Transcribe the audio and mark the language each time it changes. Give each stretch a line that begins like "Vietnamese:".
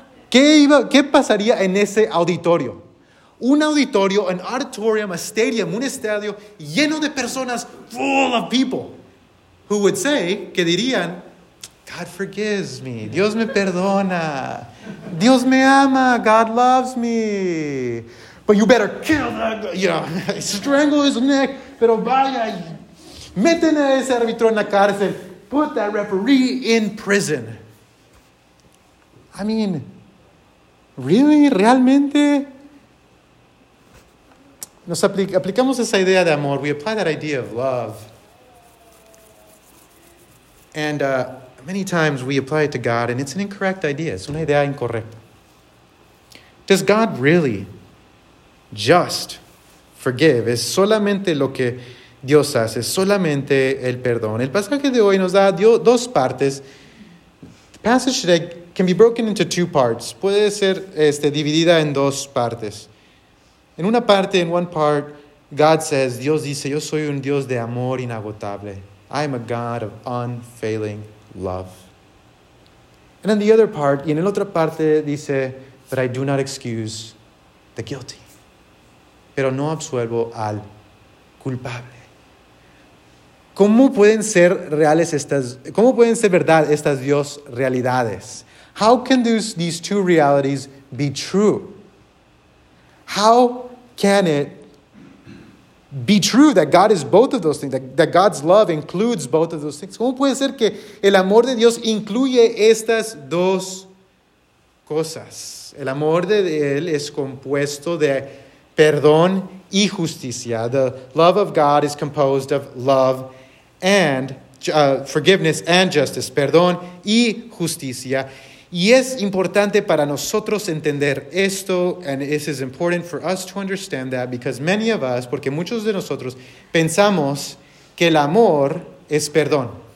Spanish: ¿Qué pasaría en ese auditorio? Un auditorio,
English: an auditorium, a stadium,
Spanish: un estadio lleno de personas,
English: full of people, who would say,
Spanish: que dirían,
English: God forgives me.
Spanish: Dios me perdona. Dios me ama.
English: God loves me. But you better kill that, you know, strangle his neck.
Spanish: Pero vaya, meten a ese árbitro en la cárcel.
English: Put that referee in prison. I mean, really?
Spanish: Realmente? Nos aplicamos esa idea de amor.
English: We apply that idea of love. And many times we apply it to God, and it's an incorrect idea.
Spanish: Es una idea incorrecta.
English: Does God really just forgive?
Spanish: Es solamente lo que Dios hace. Es solamente el perdón. El pasaje de hoy nos da dos partes.
English: The passage today can be broken into 2 parts.
Spanish: Puede ser dividida en 2 partes. En una parte,
English: in one part, God says,
Spanish: Dios dice, yo soy un Dios de amor inagotable.
English: I am a God of unfailing love. And in the other part,
Spanish: y en la otra parte, dice,
English: but I do not excuse the guilty.
Spanish: Pero no absuelvo al culpable. ¿Cómo pueden ser verdad estas dos realidades?
English: How can these two realities be true? How can it be true that God is both of those things, that God's love includes both of those things?
Spanish: ¿Cómo puede ser que el amor de Dios incluye estas dos cosas? El amor de Él es compuesto de perdón y justicia.
English: The love of God is composed of love and forgiveness and justice,
Spanish: perdón y justicia. Y es importante para nosotros entender esto,
English: and this is important for us to understand that, because many of us,
Spanish: porque muchos de nosotros, pensamos que el amor es perdón.